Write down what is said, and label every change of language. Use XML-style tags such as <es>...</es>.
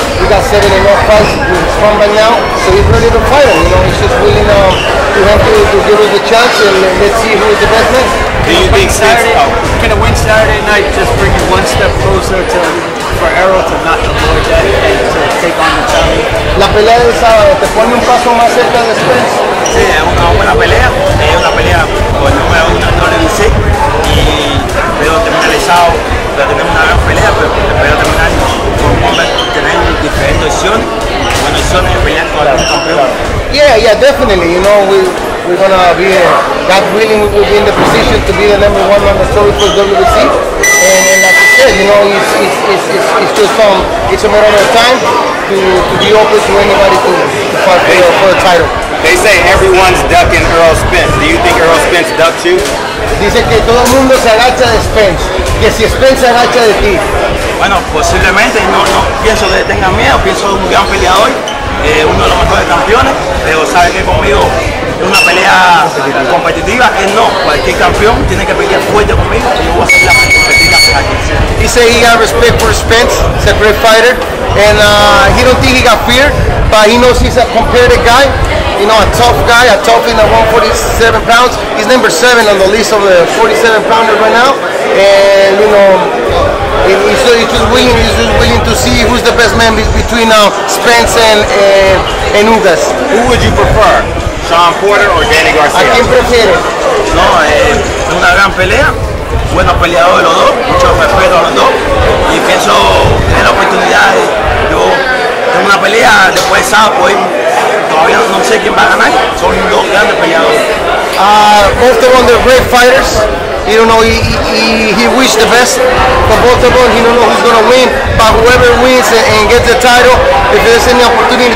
<en>He got 7-0 fights in his comeback now, so he's ready to fight him. You know, he's just willing to give us a chance and let's see who is the best next. Do you think Saturday? Can a win Saturday night just bring you one step closer for Errol to not avoid that and to take on the challenge?</en> <es>La pelea del sábado te pone un paso más cerca de Spence. Sí, es una buena pelea. Es una pelea con el número uno en el WBC. Y espero terminar el sábado. Pero tenemos una gran pelea, pero espero terminar con un hombre tener diferentes opciones. Bueno, opciones de pelear con algún campeón.</es> <en>Yeah, definitely. You know, we're gonna be that willing. We will be in the position to be the number one on the story for WBC. And like you said, you know, it's just some. It's a matter of time to be open to anybody to fight for a title. They say everyone's ducking Errol Spence. Do you think Errol Spence ducks you?</en> <es>Dice que todo el mundo se agacha de Spence. Que si Spence se agacha de ti. Bueno, posiblemente no pienso que tenga miedo. Pienso un gran peleador. Uno de los mejores campeones, pero sabe que conmigo es una pelea competitiva, él no, cualquier campeón tiene que pelear fuerte conmigo y yo voy a ser la más competitiva para quien sea.</es> <en>He said he has respect for Spence, he's a great fighter, and he don't think he got fear, but he knows he's a competitive guy, you know, a tough guy, a tough in the 147 pounds. He's number 7 on the list of the 47 pounders right now, and you know, he's just willing to see who's the best man between Spence and Ugas. Who would you prefer, Sean Porter or Danny Garcia?</en> <es>¿A quién prefiere? No, es una gran pelea. Buenos peleadores los dos, mucho respeto a los dos, y pienso tener la oportunidad. Yo tengo una pelea después de sábado, pues todavía no sé quién va a ganar, son dos grandes peleadores.</es> <en>Both of them are great fighters, you don't know, he wished the best for both of them, he don't know who's going to win, but whoever wins and gets the title, if there's any opportunity to fight anybody there, we will fight them.</en>